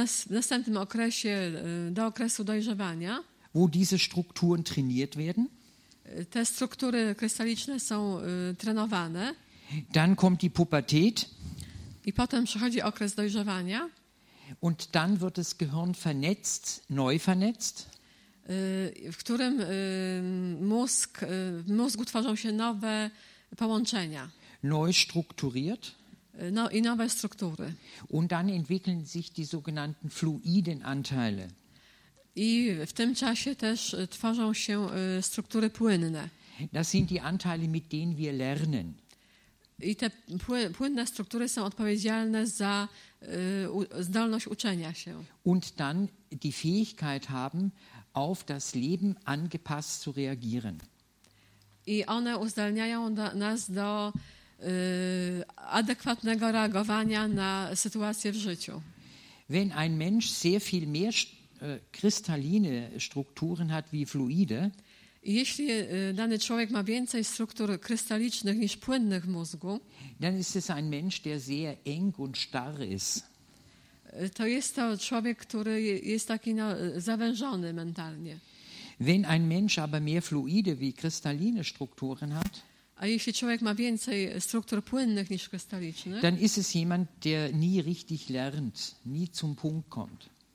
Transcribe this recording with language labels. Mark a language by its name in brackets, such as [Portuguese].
[Polish] Następnym okresie do okresu dojrzewania, [German] wo diese Strukturen trainiert werden. [Polish] Te struktury krystaliczne są trenowane. [German] Dann kommt die Pubertät. [Polish] I potem przychodzi okres dojrzewania. [German] Und dann wird das Gehirn vernetzt, neu vernetzt. [Polish] W którym w mózgu tworzą się nowe połączenia. [German] Neu strukturiert. [Polish] No, i nowe struktury. [German] Und dann entwickeln sich die sogenannten fluiden Anteile. [Polish] I w tym czasie też tworzą się struktury płynne. [German] Das sind die Anteile, mit denen wir lernen. [Polish] I te płynne struktury są odpowiedzialne za zdolność uczenia się. [German] Und dann die Fähigkeit haben, auf das Leben angepasst zu reagieren. [Polish] I one uzdalniają nas do adekwatnego reagowania na sytuację w życiu. [German] Wenn ein Mensch sehr viel mehr kristalline Strukturen hat wie fluide, [Polish] jeśli dany człowiek ma więcej struktur krystalicznych niż płynnych w mózgu, [German] dann ist es ein Mensch, der sehr eng und starr ist. [Polish] To jest to człowiek, który jest taki zawężony mentalnie. [German] Wenn ein Mensch aber mehr fluide wie kristalline Strukturen hat, [Polish] a jeśli człowiek ma więcej struktur płynnych niż krystalicznych, [German] dann ist es jemand, der nie richtig lernt, nie zum Punkt kommt.